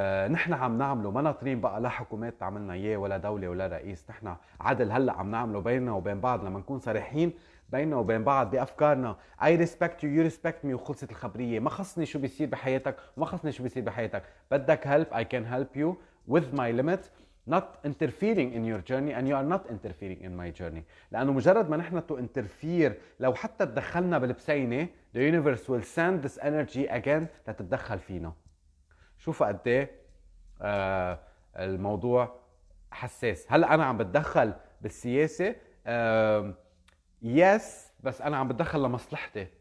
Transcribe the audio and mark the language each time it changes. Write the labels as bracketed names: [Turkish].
[Arabic] نحن عم نعمله ما ناطرين بقى لا حكومات تعملنا إياه ولا دولة ولا رئيس. نحن عدل هلأ عم نعمله بيننا وبين بعض لما نكون صريحين بيننا وبين بعض بأفكارنا. [English] I respect you, you respect me [Arabic] وخلصت الخبرية. ما خصني شو بيصير بحياتك وما خصني شو بيصير بحياتك. بدك [English] help, I can help you with my limit. not interfering in your journey and you are not interfering in my journey. [Arabic] لأنه مجرد ما نحن [English] to interfere [Arabic] لو حتى تدخلنا بالبسينة, [English] the universe will send this energy again [Arabic] لتتدخل فينا. شوفوا قد ايه الموضوع حساس. هلا انا عم بتدخل بالسياسة yes, بس انا عم بتدخل لمصلحتي.